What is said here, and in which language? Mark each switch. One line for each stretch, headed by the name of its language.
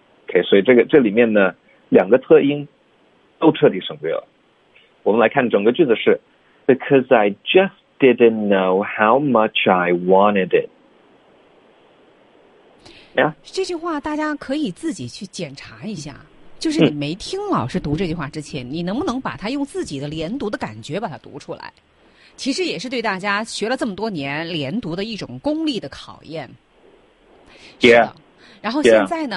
Chinese: OK， 所以这里面呢，两个特音都彻底省略了。我们来看整个句子是
English: Because I just didn't know how much I wanted it、yeah?
Chinese: 这句话大家可以自己去检查一下，就是你没听老师读这句话之前、嗯、你能不能把它用自己的连读的感觉把它读出来，其实也是对大家学了这么多年连读的一种功力的考验、
English: yeah。
Chinese: 然后现在呢、